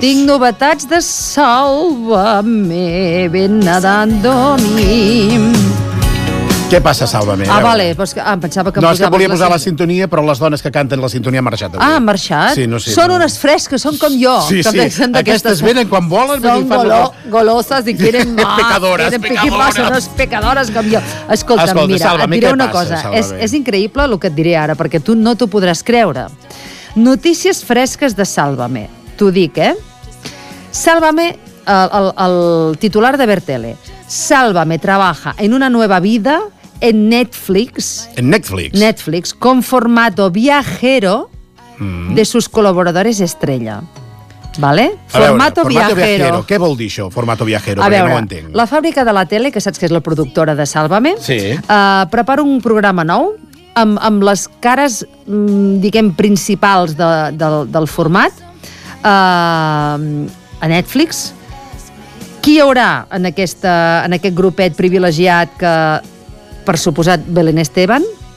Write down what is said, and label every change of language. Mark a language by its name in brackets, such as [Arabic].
[Catalan] Tinc novetats de Sálvame, ven nadando mi. Què passa, Sálvame? Ah, vale, pues, ah, pensava que... No, és que volia posar la sintonia, però les dones que canten la sintonia han marxat avui. Ah, han marxat? Sí, no sé. Són no. unes fresques, són com jo. Sí, sí, aquestes venen quan volen. Són goloses i [Spanish] quieren más. [Catalan] Pecadores, pecadores. Són pecadores com jo. Escolta'm, escolta, mira, Sálvame, et diré una passa, cosa. És increïble el que et diré ara, perquè tu no t'ho podràs creure. Notícies fresques de Sálvame. T'ho dic, eh? Sálvame, el titular de Bertele. [Spanish] Sálvame trabaja en una nueva vida en Netflix. En Netflix. Netflix, con formato viajero de sus colaboradores estrella. ¿Vale? Formato viajero. [Catalan] Què vol dir això, formato viajero? A veure, no ho entenc. La fàbrica de la tele, que saps que és la productora de Sálvame, sí. Prepara un programa nou amb les cares, diguem, principals del format. A Netflix, qui hi haurà en aquest grupet privilegiat, que per suposat Belén Esteban,